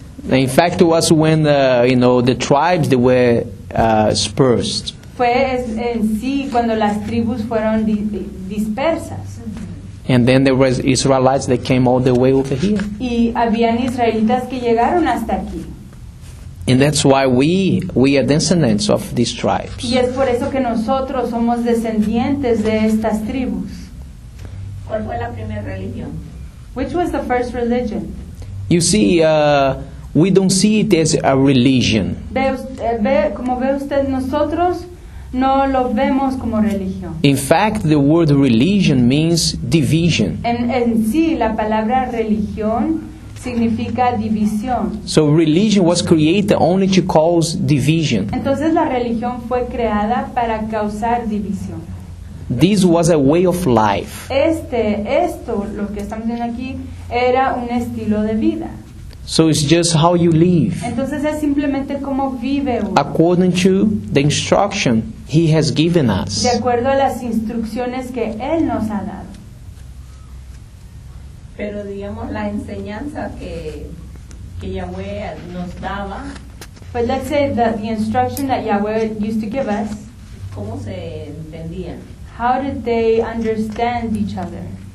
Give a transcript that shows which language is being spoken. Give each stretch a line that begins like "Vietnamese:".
English: In fact, it was when the tribes they were dispersed.
Spanish: Fue en sí cuando las tribus fueron dispersas.
English: And then there was Israelites that came all the way over here.
Spanish: Y habían israelitas que llegaron hasta aquí.
English: And that's why we are descendants of these tribes.
Spanish: Y es por eso que nosotros somos descendientes de estas tribus. ¿Cuál fue la primera religión?
English: Which was the first religion? You see, we don't see it as a religion.
Spanish: Como ve usted, nosotros no lo vemos como religión.
English: In fact, the word religion means division.
Spanish: En sí, la palabra religión significa división.
English: So religion was created only to cause division.
Spanish: Entonces la religión fue creada para causar división.
English: This was a way of life.
Spanish: Esto, lo que estamos viendo aquí, era un estilo de vida.
English: So it's just how you live.
Spanish: Entonces es simplemente cómo vive uno.
English: According to the instruction he has given us.
Spanish: De acuerdo a las instrucciones que él nos ha dado. Pero digamos la enseñanza que Yahweh nos daba.
English: But let's say that the instruction that Yahweh used to give us.
Spanish: ¿Cómo se entendían?
English: How did they understand each other?